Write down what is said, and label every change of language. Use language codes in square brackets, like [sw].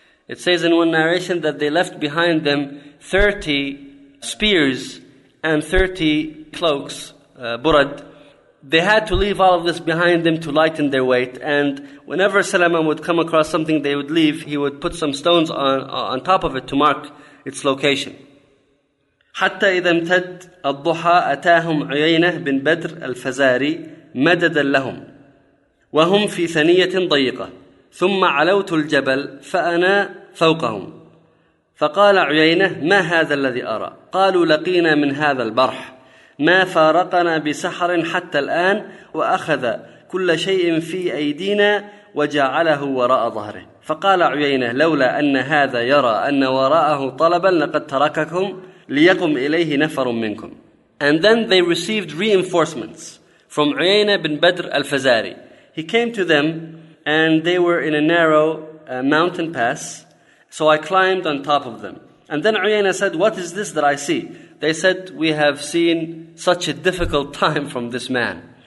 [en] It says in one narration that they left behind them 30 spears and 30 cloaks, burad. They had to leave all of this behind them to lighten their weight. And whenever Salama would come across something they would leave, he would put some stones on top of it to mark its location. [ar] حتى إذا امتد الضحى أتاهم عيينة بن بدر الفزاري مددا لهم وهم في ثنية ضيقة ثم علوت الجبل فأنا فوقهم فقال عيينة ما هذا الذي أرى قالوا لقينا من هذا البرح ما فارقنا بسحر حتى الآن وأخذ كل شيء في أيدينا وجعله وراء ظهره فقال عيينة لولا أن هذا يرى أن وراءه طلبا لقد ترككم ليقم إليه نفر منكم. [en] And then they received reinforcements from Uyayna bin Badr al-Fazari. He came to them and they were in a narrow mountain pass, so I climbed on top of them. And then Uyayna said, what is this that I see? They said, we have seen such a difficult time from this man.